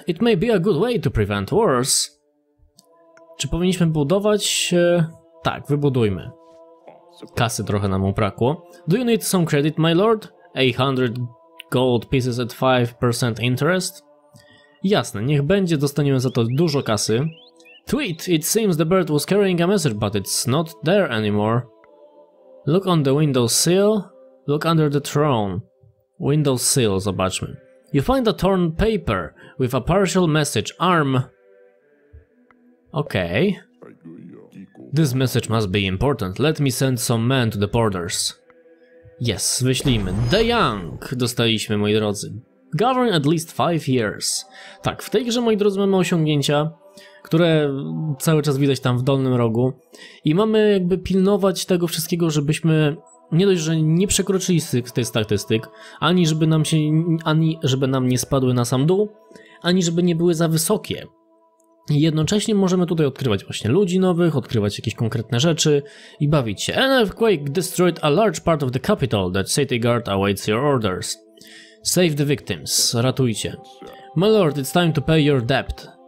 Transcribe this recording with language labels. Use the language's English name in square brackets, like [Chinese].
[English] It may be a good way to prevent wars. [Polish] Czy powinniśmy budować? Tak, wybudujmy. Kasy trochę nam uprakło. [English] Do you need some credit, my lord? 800 gold pieces at 5% interest? [Polish] Jasne, niech będzie, dostaniemy za to dużo kasy. [English] Tweet, it seems the bird was carrying a message, but it's not there anymore. Look on the window sill. Look under the throne. Window sill, [Polish] zobaczmy. [English] You find a torn paper with a partial message. Arm. Okay. This message must be important. Let me send some men to the borders. [Polish] Yes, wyślijmy. [English] The young [Polish] dostaliśmy, moi drodzy. [English] Govern at least 5 years. [Polish] Tak, w tej grze, moi drodzy, mamy osiągnięcia, które cały czas widać tam w dolnym rogu. I mamy jakby pilnować tego wszystkiego, żebyśmy... Nie dość, że nie przekroczyli tych statystyk, ani żeby nam nie spadły na sam dół, ani żeby nie były za wysokie. I jednocześnie możemy tutaj odkrywać właśnie ludzi nowych, odkrywać jakieś konkretne rzeczy i bawić się. [English] An earthquake destroyed a large part of the capital. That city guard awaits your orders. Save the victims. [Polish] Ratujcie. [English] My lord, it's time to pay your debt.